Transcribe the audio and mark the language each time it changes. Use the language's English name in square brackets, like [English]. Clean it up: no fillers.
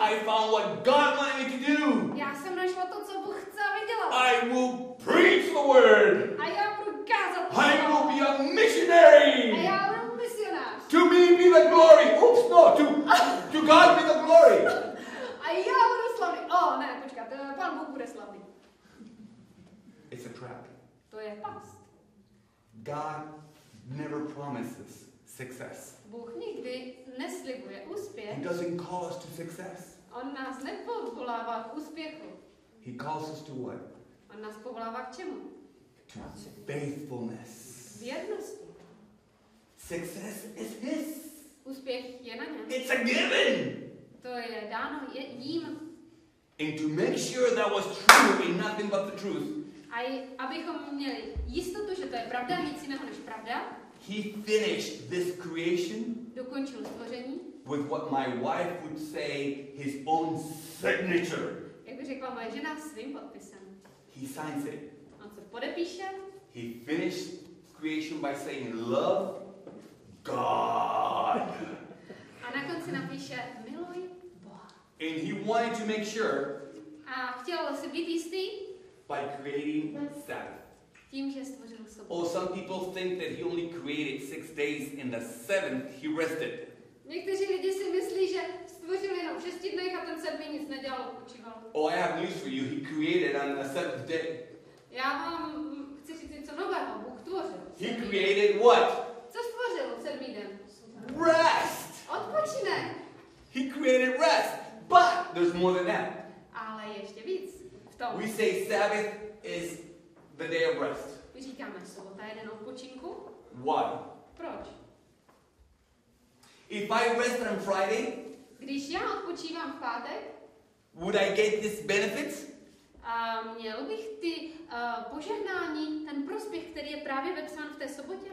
[English] I found what God wanted me to do. [Czech] Já jsem našla to, co Bůh chce, aby dělal. [English] I will preach the word. [Czech] A já budu kázat. [English] I will be a missionary. [Czech] A já budu misionář. [English] To me be the glory. Oops, no. To God be the glory. [Czech] A já budu slavný. Oh, ne, počkat. Pán Bůh bude slavný. [English] It's a trap. [Czech] To je past. [English] God never promises success. [Czech] Bůh nikdy neslibuje úspěch. [English] He doesn't call us to success. [Czech] On nás nepovolává k úspěchu. [English] He calls us to what? [Czech] On nás povolává k čemu? [English] To faithfulness. [Czech] Věrnosti. [English] Success is his. [Czech] Úspěch je na něm. [English] It's a given. [Czech] To je dáno jím. [English] And to make sure that was true and nothing but the truth. [Czech] A abychom měli jistotu, že to je pravda, nic jiného než pravda. [English] He finished this creation. [Czech] Dokončil stvoření. [English] With what my wife would say, his own signature. [Czech] Jak by řekla moje žena, svým podpisem. [English] He signs it. [Czech] On se podepíše. [English] He finished creation by saying, love God. [Czech] A na konci napíše, miluj Boha. [English] And he wanted to make sure. [Czech] A chtěl se být jistý. [English] By creating Sabbath. [Czech] tím, že stvořil sobotu. [English] Or some people think that he only created 6 days and the seventh he rested. [Czech] Někteří lidi si myslí, že stvořil jenom v šesti dnech a ten sedmý nic nedělal, počíval. [English] Oh, I have news for you. He created on the seventh day. [Czech] Já vám chci říct něco nového. Bůh tvořil. [English] He created what? [Czech] Co stvořil v sedmý den? [English] Rest. [Czech] Odpočinek. [English] He created rest, but there's more than that. [Czech] Ale ještě víc v tom. [English] We say Sabbath is the day of rest. [Czech] My říkáme, sobota je den odpočinku. [English] Why? [Czech] Proč? [English] If I rest on Friday, [Czech] když já odpočívám v pátek, [English] would I get this benefit? [Czech] Měl bych ty požehnání, ten prospěch, který je právě vepsán v té sobotě?